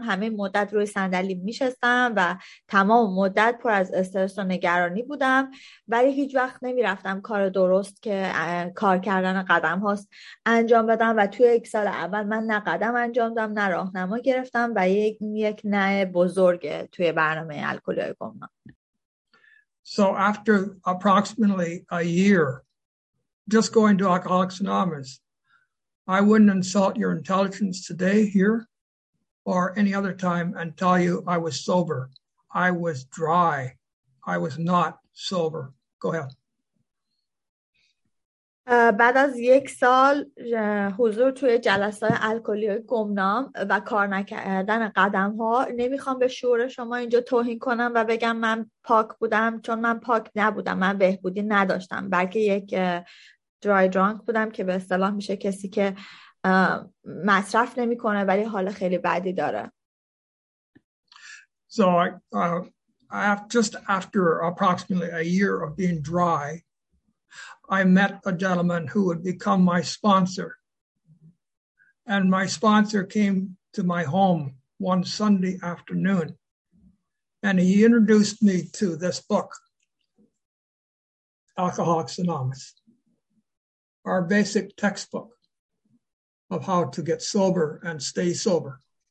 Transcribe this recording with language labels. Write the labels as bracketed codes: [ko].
[fa] همه مدت روی صندلی میشستم و تمام مدت پر از استرس و نگرانی بودم، ولی هیچ وقت نمیرفتم کار درست که کار کردن قدم هاست انجام بدم. و توی یک سال اول من نه قدم انجام دادم نه راهنما گرفتم و یک نه بزرگ توی برنامه الکلی گمنام. [en] So after approximately a year just going to Alcoholics Anonymous, I wouldn't insult your intelligence today here or any other time and tell you I was sober. I was dry. I was not sober. Go ahead. [fa] بعد از یک سال حضور توی جلسات الکلی گمنام و کار نکردن قدم ها، نمیخوام به شعور شما اینجا توهین کنم و بگم من پاک بودم، چون من پاک نبودم، من بهبودی نداشتم، بلکه یک درای درانک بودم که به اصطلاح میشه کسی که مصرف نمی کنه ولی حال خیلی بدی داره. [en] So just after approximately a year of being dry, I met a gentleman who would become my sponsor. And my sponsor came to my home one Sunday afternoon, and he introduced me to this book, Alcoholics Anonymous, our basic textbook of how to get sober and stay sober.